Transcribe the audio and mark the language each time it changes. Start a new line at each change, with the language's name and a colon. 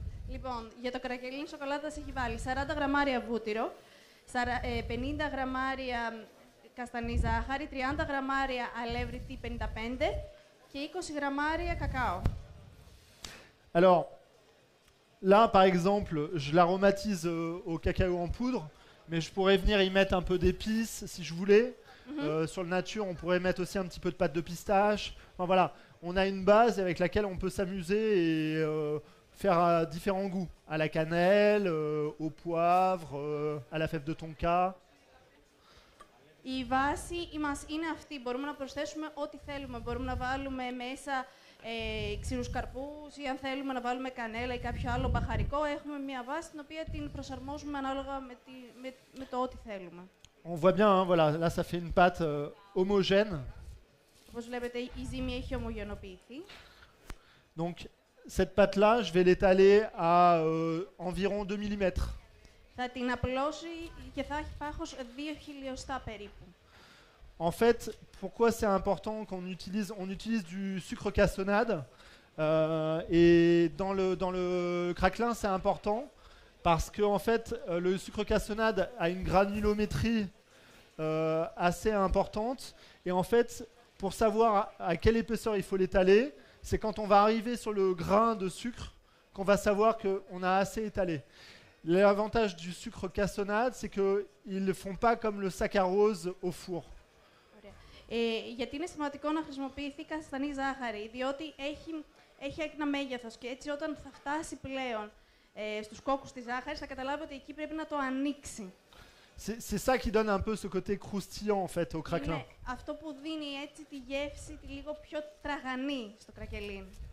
Greek: Λοιπόν, για το κρακελίν σοκολάτας έχει βάλει 40 γραμμάρια βούτυρο, 50 γραμμάρια καστανή ζάχαρη, 30 γραμμάρια αλεύρι T55 και 20 γραμμάρια κακάο.
French: Alors, là, par exemple, je l'aromatise au cacao en poudre, mais je pourrais venir y mettre un peu d'épices, si je voulais. Mm-hmm. Sur le nature, on pourrait mettre aussi un petit peu de pâte de pistache. Enfin, voilà, on a une base avec laquelle on peut s'amuser et faire différents goûts, à la cannelle, au poivre, à la fève de tonka.
Greek: Η βάση μας είναι αυτή. Μπορούμε να προσθέσουμε ό,τι θέλουμε. Μπορούμε να βάλουμε μέσα ξηρούς καρπούς ή αν θέλουμε να βάλουμε κανέλα ή κάποιο άλλο μπαχαρικό. Έχουμε μια βάση την οποία την προσαρμόζουμε ανάλογα με το ό,τι θέλουμε.
French: On voit bien, hein, voilà, là ça fait une pâte homogène.
Greek: Όπως βλέπετε, η ζύμη έχει ομογενοποιηθεί.
French: Donc, cette pâte-là, je vais l'étaler à environ 2 mm.
Greek: Θα την απλώσει και θα έχει πάχος 2 χιλιοστά περίπου.
French: En fait, pourquoi c'est important qu'on utilise, on utilise du sucre cassonade et dans le craquelin, c'est important parce que en fait, le sucre cassonade a une granulométrie assez importante et en fait, pour savoir à quelle épaisseur il faut l'étaler, c'est quand on va arriver sur le grain de sucre qu'on va savoir qu'on a assez étalé. L'avantage du sucre cassonade, c'est qu'ils ne font pas comme le saccharose au four.
Greek: Γιατί είναι σημαντικό να χρησιμοποιηθεί καστανή ζάχαρη, διότι έχει ένα μέγεθος και έτσι όταν θα φτάσει πλέον στους κόκκους της ζάχαρης, θα καταλάβει ότι εκεί πρέπει να το ανοίξει.
French: C'est ça qui donne un peu ce côté croustillant en fait au craquelin.
Greek: Αυτό που δίνει έτσι τη γεύση τη λίγο πιο τραγανή στο κρακελίν.